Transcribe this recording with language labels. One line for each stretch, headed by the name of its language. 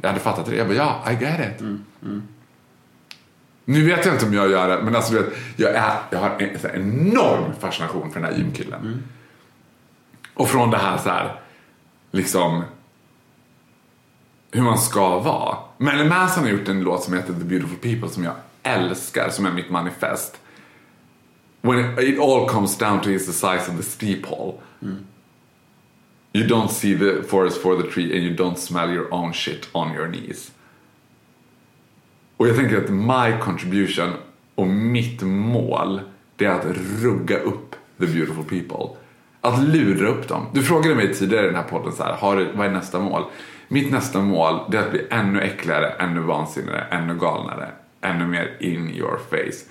Swedish: Jag hade fattat det, jag bara, ja,
English: yeah, I get it.
Swedish: Nu vet jag inte om jag gör det, men alltså du vet, jag har en så här, enorm fascination för den här gymkillen. Och från det här så här, liksom, hur man ska vara. Men Manson har gjort en låt som heter The Beautiful People, som jag älskar, som är mitt manifest.
English: When it all comes down to is the size of the steeple. You don't see the forest for the tree, and you don't smell your own shit on your knees.
Swedish: Och jag tänker att
English: my contribution
Swedish: och mitt mål, det är att rugga upp the beautiful people. Att lura upp dem. Du frågade mig tidigare i den här podden så här, vad är nästa mål? Mitt nästa mål är att bli ännu äckligare, ännu vansinnigare, ännu galnare, ännu mer
English: in your face.